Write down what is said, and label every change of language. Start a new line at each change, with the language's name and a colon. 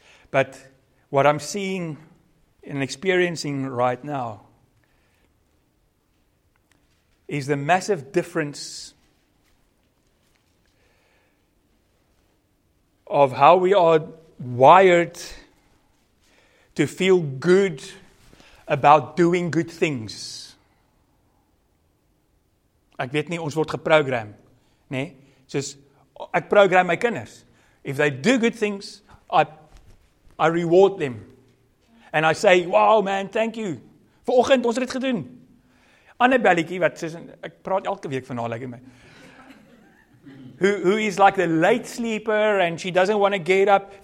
English: But what I'm seeing and experiencing right now is the massive difference of how we are wired to feel good about doing good things.
Afrikaans: Ek weet nie, ons word geprogram, né? Soos ek program my kinders.
English: If they do good things, I reward them. And I say, wow man, thank you.
Afrikaans: Vanoggend ons het dit gedoen.
English: Annabelletjie,
Afrikaans: wat soos, ek praat elke week van haar,
English: like, my. Who is like the late sleeper and she doesn't want to get up.